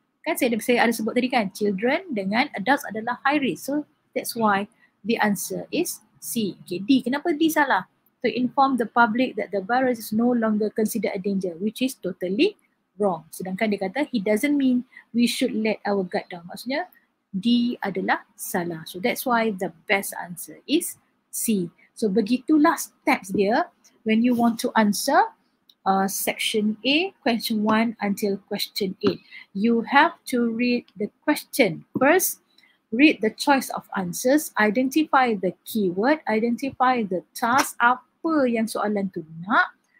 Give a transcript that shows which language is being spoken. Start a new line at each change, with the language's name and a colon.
Malay: Kan saya ada sebut tadi kan, children dengan adults adalah high risk.
English: So that's why the answer is C. Okay, D.
Malay: Kenapa D salah?
English: To inform the public that the virus is no longer considered a danger, which is totally wrong.
Malay: Sedangkan dia kata,
English: he doesn't mean we should let our guard down.
Malay: Maksudnya, D adalah salah.
English: So that's why the best answer is C. So
Malay: begitulah
English: steps dia when you want to answer section A, question 1 until question 8. You have to read the question first. Read the choice of answers, identify the keyword, identify the task,
Malay: apa yang soalan tu nak.